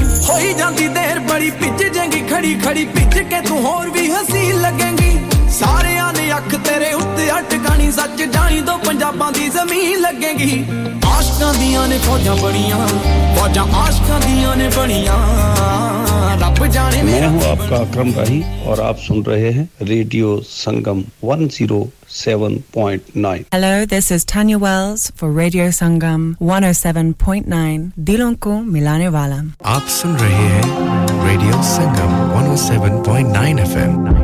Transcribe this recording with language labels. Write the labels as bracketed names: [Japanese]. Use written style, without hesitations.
[Punjabi] ਹੋਈ ਜਾਂਦੀ ਦੇਰ ਬੜੀ ਪਿੱਜ ਜਾਏਗੀ ਖੜੀ ਖੜੀ ਪਿੱਜ ਕੇ ਤੂੰ ਹੋਰ ਵੀ ਹਸੀ ਲੱਗੇਗੀ ਸਾਰਿਆਂ ਨੇ ਅੱਖ ਤੇਰੇ ਉੱਤੇ ਅਟਕਾਣੀ ਸੱਚ ਜਾਣੀ ਤੋਂ ਪੰਜਾਬਾਂ ਦੀ ਜ਼ਮੀਨ ਲੱਗੇਗੀ ਆਸ਼ਕਾਂ ਦੀਆਂ ਨੇ ਫੌਜਾਂ ਬਣੀਆਂ ਫੌਜਾਂ ਆਸ਼ਕਾਂ ਦੀਆਂ ਨੇ ਬਣੀਆਂ [Hindi] मैं हूं आपका अकरम भाई और आप सुन रहे हैं radio Sangam 107.9. [English] Hello, this is Tanya Wells for Radio Sangam 107.9. [Hindi] Dilon ko milane wala. आप सुन रहे हैं रेडियो संगम 107.9 FM.